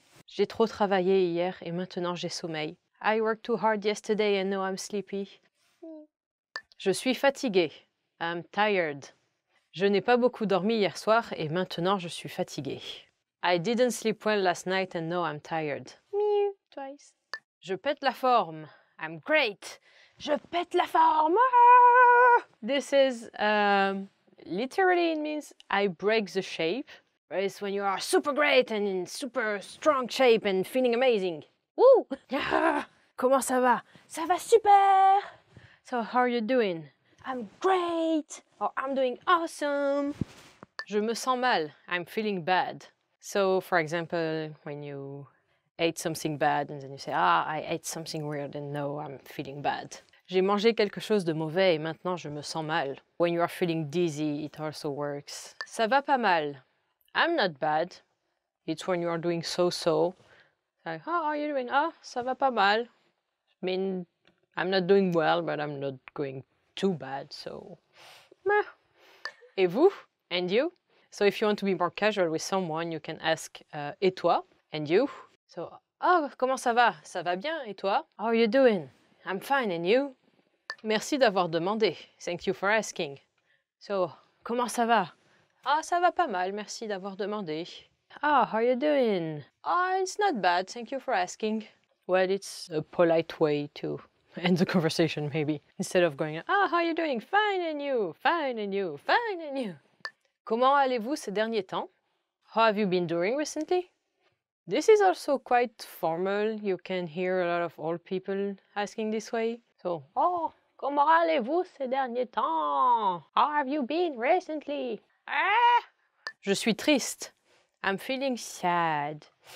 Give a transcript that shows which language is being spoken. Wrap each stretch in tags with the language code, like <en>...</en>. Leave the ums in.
<fr>J'ai trop travaillé hier et maintenant j'ai sommeil.</fr> <en>I worked too hard yesterday and now I'm sleepy.</en> <fr>Je suis fatigué.</fr> <en>I'm tired.</en> <fr>Je n'ai pas beaucoup dormi hier soir et maintenant je suis fatigué.</fr> <en>I didn't sleep well last night and now I'm tired. Mew, twice.</en> <fr>Je pète la forme.</fr> <en>I'm great.</en> <fr>Je pète la forme. Ah!</fr> <en>This is um, literally it means I break the shape. It's when you are super great and in super strong shape and feeling amazing.</en> <fr>Woo! Comment ça va? Ça va super!</fr> <en>So how are you doing? I'm great or I'm doing awesome.</en> <fr>Je me sens mal.</fr> <en>I'm feeling bad. So, for example, when you ate something bad and then you say, Ah, I ate something weird and no, I'm feeling bad.</en> <fr>J'ai mangé quelque chose de mauvais et maintenant je me sens mal.</fr> <en>When you are feeling dizzy, it also works.</en> <fr>Ça va pas mal.</fr> <en>I'm not bad. It's when you are doing so so. Like, oh, how are you doing?</en> <fr>Oh, ça va pas mal.</fr> <en>I mean, I'm not doing well, but I'm not going too bad, so meh.</en> <fr>Et vous?</fr> <en>And you? So if you want to be more casual with someone, you can ask uh,</en> <fr>et toi?</fr> <en>And you? So, oh,</en> <fr>comment ça va? Ça va bien, et toi?</fr> <en>How are you doing? I'm fine, and you?</en> <fr>Merci d'avoir demandé.</fr> <en>Thank you for asking.</en> <fr>So, comment ça va? Ah, oh, ça va pas mal, merci d'avoir demandé.</fr> <en>Ah, oh, how are you doing? Ah, oh, it's not bad, thank you for asking. Well, it's a polite way too end the conversation maybe instead of going ah oh, how are you doing fine and you fine and you fine and you</en> <fr>comment allez-vous ces derniers temps</fr> <en>how have you been doing recently this is also quite formal you can hear a lot of old people asking this way so oh comment allez-vous ces derniers temps how have you been recently ah</en> <fr>je suis triste</fr> <en>i'm feeling sad</en>